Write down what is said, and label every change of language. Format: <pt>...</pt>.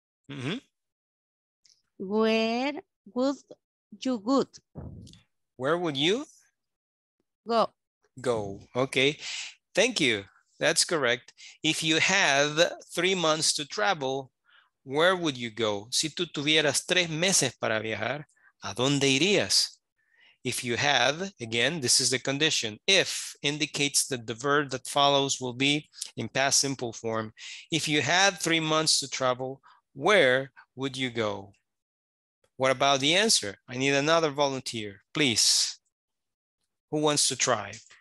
<en>Mm-hmm. Where would you go? Where would you? Go. Go. Okay. Thank you. That's correct. If you have 3 months to travel, where would you go?</en> <es>Si tú tuvieras 3 meses para viajar, ¿a dónde irías?</es> <en>If you have, again, this is the condition. If indicates that the verb that follows will be in past simple form. If you had 3 months to travel, where would you go? What about the answer? I need another volunteer, please. Who wants to try?</en>